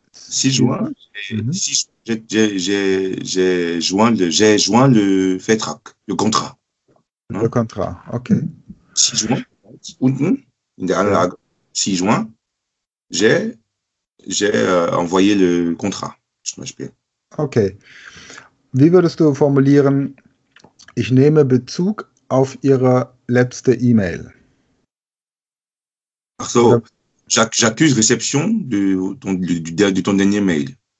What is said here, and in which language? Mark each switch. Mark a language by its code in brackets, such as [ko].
[fr] J'ai joint le Vertrag, le contrat. Le contrat, ok. 6 juin, [de] unten, in der Anlage, [fr] 6 juin, j'ai envoyé le contrat, [de] zum Beispiel. [fr] Ok. [de] Wie würdest du formulieren, ich nehme Bezug auf Ihre letzte E-Mail? Ach so, [fr] j'accuse réception de ton dernier mail.